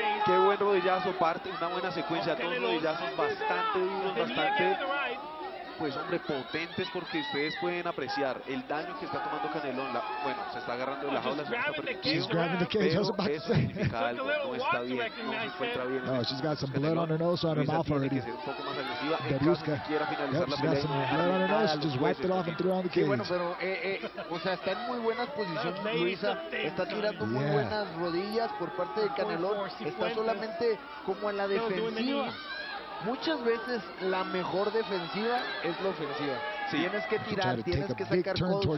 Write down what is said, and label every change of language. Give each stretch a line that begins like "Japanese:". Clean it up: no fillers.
Spanish: Qué buen rodillazo, parte una buena secuencia, dos rodillazos bastante duros, bastante, pues hombre, potentes, porque ustedes pueden apreciar el daño que está tomando Canelón, la, bueno, se está agarrando de la jaula, se está perdiendo, pero eso significa algo, no está bien, no se encuentra bien.
English: No, she's got some blood on her nose, on her mouth already.
Spanish: Un poco más agresiva, en caso que quiera finalizar la pelea.
English: She's got some blood on her nose, just wiped it off and threw on the cage.
Spanish: Sí, bueno, pero, o sea, está en muy buena posición, Luisa, está tirando muy buenas rodillas por parte de Canelón, está solamente como en la defensiva. Muchas veces la mejor defensiva es la ofensiva. Sí. Tienes que tirar, tienes que sacar codos.